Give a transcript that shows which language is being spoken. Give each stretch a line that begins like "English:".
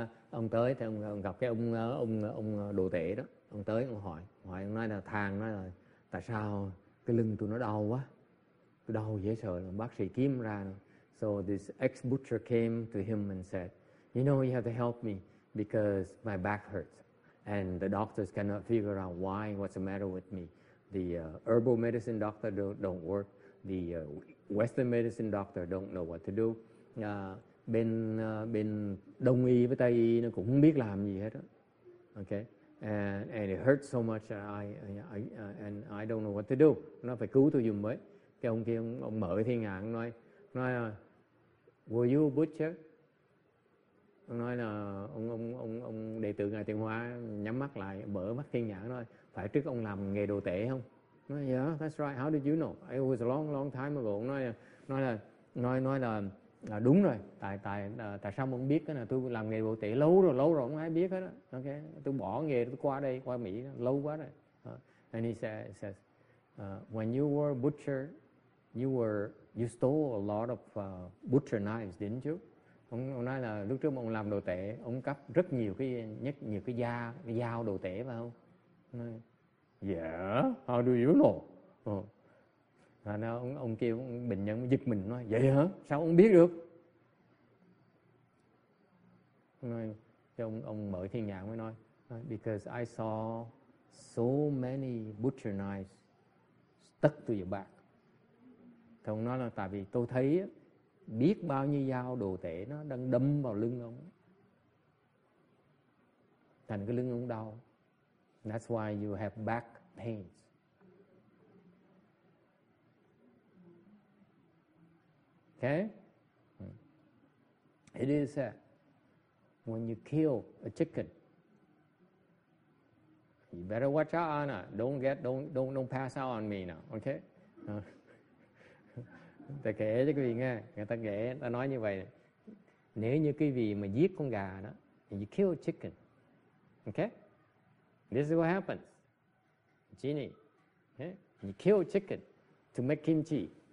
Vietnamese: Ông tới thì ông gặp cái ông đồ tể đó. Ông tới ông hỏi ông nói là thằng nói là tại sao cái lưng tôi nó đau quá, tôi đau dễ sợ lắm, bác sĩ kiếm ra.
English: So this ex butcher came to him and said, you know, you have to help me because my back hurts and the doctors cannot figure out why, what's the matter with me. The herbal medicine doctor don't work, the western medicine doctor don't know what to do.
Vietnamese: Bên đông y với tây y nó cũng không biết làm gì hết đó.
English: Okay. And it hurts so much that I don't know what to do.
Vietnamese: Nó phải cứu tôi dùng mới. Cái ông kia ông mở cái thiên nhãn nói
English: were you a butcher?
Vietnamese: Ông nói là ông đệ tử Ngài Tiên Hóa nhắm mắt lại mở mắt thiên nhãn nói phải trước ông làm nghề đồ tể không? Nói,
English: yeah, that's right. How did you know? It was a long long time ago.
Vietnamese: Ông nói là đúng rồi. Tại sao ông biết cái là tôi làm nghề bộ tể lâu rồi không ai biết hết đó. Okay, tôi bỏ nghề tôi qua đây qua Mỹ lâu quá rồi.
English: And he says, when you were a butcher, you stole a lot of butcher knives, didn't you?
Vietnamese: Ông nói là lúc trước ông làm đồ tể, ông cắp rất nhiều cái dao đồ tể phải không? Nói,
English: yeah, how do you know?
Vietnamese: Ông kêu bệnh nhân giật mình nói vậy hả, sao ông biết được? Ông mở thiên nhãn mới nói
English: because I saw so many butcher knives stuck to your back.
Vietnamese: Thì ông nói là tại vì tôi thấy biết bao nhiêu dao đồ tể nó đang đâm vào lưng ông, thành cái lưng ông đau.
English: That's why you have back pains. Okay? It is that when you kill a chicken, you better watch out, Anna. Don't pass out on me now, okay?
Vietnamese: Ta kể cho quý vị nghe, người ta kể, ta nói như vậy. Nếu như quý vị mà giết con gà đó,
English: you kill a chicken, okay? This is what happens. Genie, okay? You kill a chicken to make kimchi.